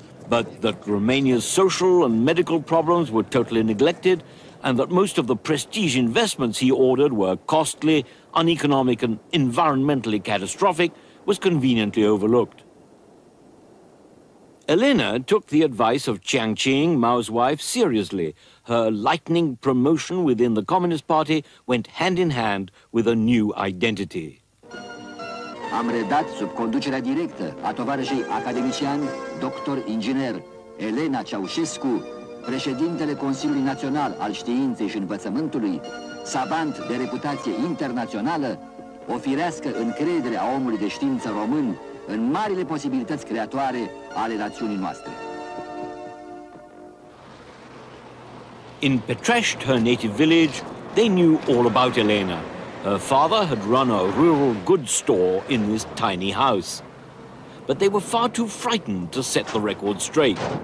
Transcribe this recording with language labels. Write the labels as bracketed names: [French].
[English] But that Romania's social and medical problems were totally neglected, and that most of the prestige investments he ordered were costly, uneconomic, and environmentally catastrophic, was conveniently overlooked. Elena took the advice of Chiang Ching, Mao's wife, seriously. Her lightning promotion within the Communist Party went hand in hand with a new identity. [Romanian] Am redat sub conducerea directă a tovarășei academician, doctor inginer Elena Ceausescu, președintele Consiliului Național al Științei și Învățământului, savant de reputație internațională, ofirească încrederea omului de știință român în marile posibilități creatoare ale națiunii noastre. [English] In Petrești, her native village, they knew all about Elena. Her father had run a rural goods store in this tiny house. But they were far too frightened to set the record straight.